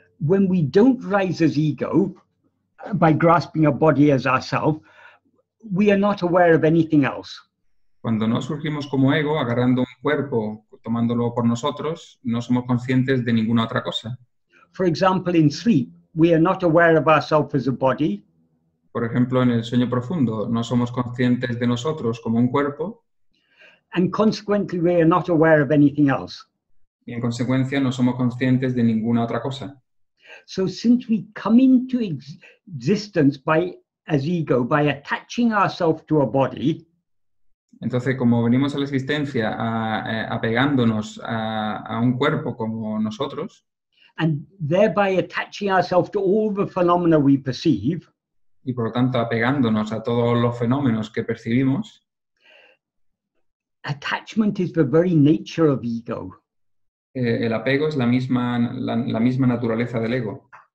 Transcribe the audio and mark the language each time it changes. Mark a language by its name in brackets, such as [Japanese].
[English] When we don't rise as ego by grasping a body as ourself, we are not aware of anything else. [Spanish] Cuando no surgimos como ego, agarrando un cuerpo, tomándolo por nosotros, no somos conscientes de ninguna otra cosa. [English] For example, in sleep, we are not aware of ourselves as a body. [Spanish] Por ejemplo, en el sueño profundo, no somos conscientes de nosotros como un cuerpo. [English] and consequently we are not aware of anything else. [Spanish] Y en consecuencia no somos conscientes de ninguna otra cosa. [English] So since we come into existence by as ego, by attaching ourselves to a body, [Spanish] entonces como venimos a la existencia apegándonos a un cuerpo como nosotros, [English] and thereby attaching ourselves to all the phenomena we perceive, [Spanish] y por lo tanto apegándonos a todos los fenómenos que percibimos, [English] attachment is the very nature of ego. [Spanish] El apego es la misma naturaleza del ego.